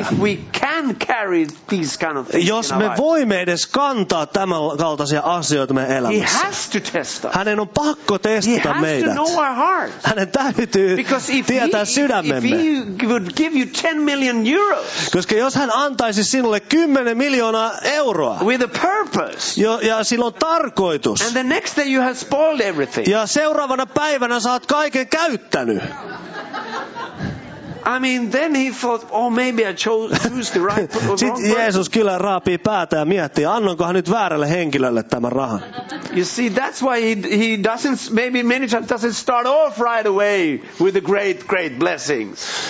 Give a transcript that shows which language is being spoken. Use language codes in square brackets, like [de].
[en] If we can carry these kind of things. [fi] Jos me voimme edes kantaa tämän kaltaisia asioita meidän elämässä. [en] He has to test us. [fi] Hänen on pakko testata meidät. [en] He has to know our hearts. [fi] Hänen täytyy tietää sydämemme. [en] If he would give you 10 million euros. [fi] Koska jos hän antaisi sinulle 10 miljoonaa euroa. [en] With a purpose. [fi] Ja sillä on tarkoitus. [en] And the next day you have spoiled everything. [fi] Ja seuraavana päivänä sä oot kaiken käyttänyt. [en] I mean, then he thought, oh, maybe I chose the right [fi] sitten [en] wrong person. [fi] Sitten Jeesus kyllä raapii päätä ja miettii, annonkohan nyt väärälle henkilölle tämän rahan. [en] You see, that's why he doesn't, maybe many times doesn't start off right away with the great, great blessings.